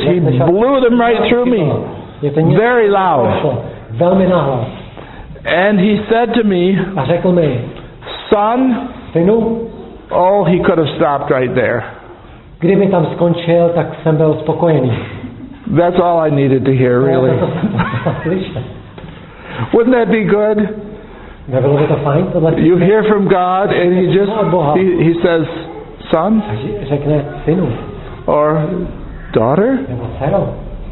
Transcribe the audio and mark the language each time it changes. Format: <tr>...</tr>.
<en>He blew them right through me. Very loud.</en> <cs>Velmi nahlas.</cs> <en>And he said to me,</en> <cs>a řekl mi,</cs> <en>son,</en> <cs>synu,</cs> <en>oh, he could have stopped right there.</en> <cs>Kdyby tam skončil, tak jsem byl spokojený.</cs> <en>That's all I needed to hear, really. Wouldn't that be good?</en> <cs>Nebylo by to fajn?</cs> <en>You hear from God and he just, he says, son,</en> <cs>řekne, synu,</cs> <en>or daughter,</en> <cs>nebo dcero.</cs>